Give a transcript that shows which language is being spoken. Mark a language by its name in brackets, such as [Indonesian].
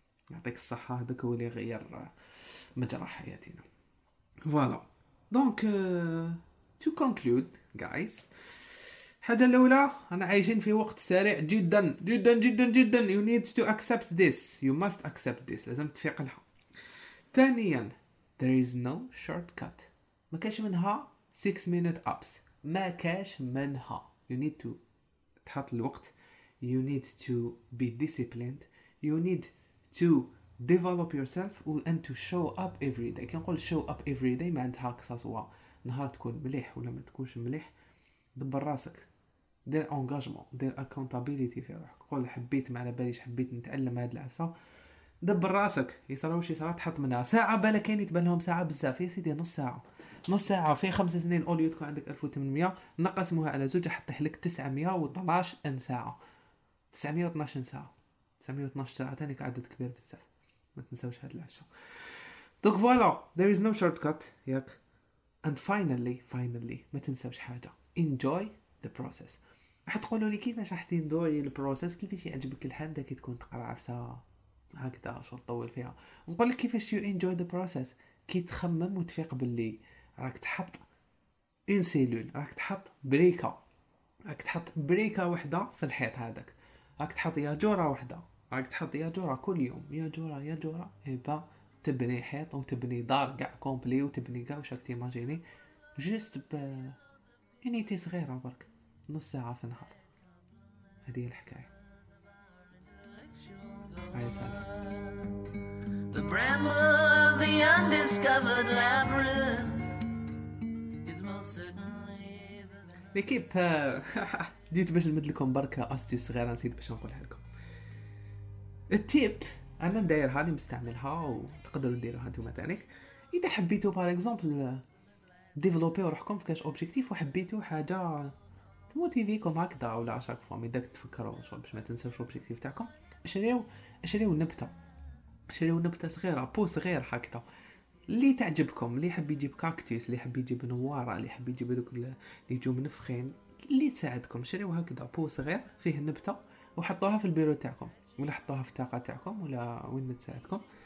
[Arabic] يعطيك الصحة، هذاك هو اللي غير مجرى حياتنا. [French] فوالا، دونك تو كونكلود [Arabic] جايز، حاجة الأولى، أنا عايشين في وقت سريع جدا جدا جدا جدا. [English] You need to accept this. You must accept this. [Arabic] لازم تفيق لها. [English] ثانيا، there is no shortcut. [Arabic] ما كاش منها [English] 6 minute ups. [Arabic] ما كاش منها. [English] You need to [Arabic] تحط الوقت. [English] You need to be disciplined. You need to develop yourself and to show up every day. [Arabic] كي نقول [English] show up every day، [Arabic] ما عندها كساسوا نهار تكون مليح ولا ما تكونش مليح. دبر راسك، دير انغاجمون، دير اكونتابيليتي في روحك. قول حبيت، ما على باليش حبيت نتعلم هاد العفسه. دبر راسك، يصرا وشي صرا تحط منها ساعه بالا كاين يتبان لهم ساعه بزاف. يا سيدي نص ساعه، نص ساعه في 5 سنين اوليو تكون عندك 1800 نقسموها على زوج حطيح لك 912 ساعه. 912 ساعه، 912 ساعه ثاني عدد كبير بزاف، ما تنساوش هاد العشره. [French] دونك فوالا، [English] there is no shortcut. [Arabic] ياك. [English] And finally [Arabic] ما تنساوش حاجه، [English] enjoy the process. [Arabic] راح تقولوا لي كيفاش راح تندوري البروسيس، كيفاش يعجبك الحال داك تكون تقرا عفسه هكذا شغل طول فيها. نقول لك كيفاش [English] you enjoy the process, [Arabic] كي تخمم وتفيق باللي راك تحط اون سيلول، راك تحط بريكا، راك تحط بريكا وحده في الحيط هذاك، راك تحط يا جوره وحده، راك تحط يا جوره كل يوم، يا جوره يا جوره، اي با تبني حيط وتبني دار كاع كومبلي وتبني كاع وشك تيماجيني جوست ب يونيتي صغيره برك نص ساعه في النهار. هذه الحكايه. يا سلام. [English] The bramble of the undiscovered labyrinth is most certainly the ليكيب. [Arabic] ديت باش نمد لكم بركة أستي صغيرة نسيت باش نقولها لكم. التيب انا ندير هاني مستعملها وتقدروا ديروها نتوما ثانيك. اذا حبيتوا بار اكزومبل ديفلوبي روحكم في كاش اوبجيكتيف وحبيتوا حاجه تموتيفيكم هكذا ولا عشاك فوامي داك تفكروا باش ما تنساوش الاوبجيكتيف تاعكم، شريو نبته، شريو نبته صغيره، بو صغير هكذا اللي تعجبكم، اللي يحب يجيب كاكتوس، اللي يحب يجيب نواره، اللي يحب يجيب دوك اللي يجوا منفخين، اللي تساعدكم شريو هكذا بو صغير فيه نبته وحطوها في البيرو تاعكم ولا حطوها في الطاقه تاعكم ولا وين ما تساعدكم.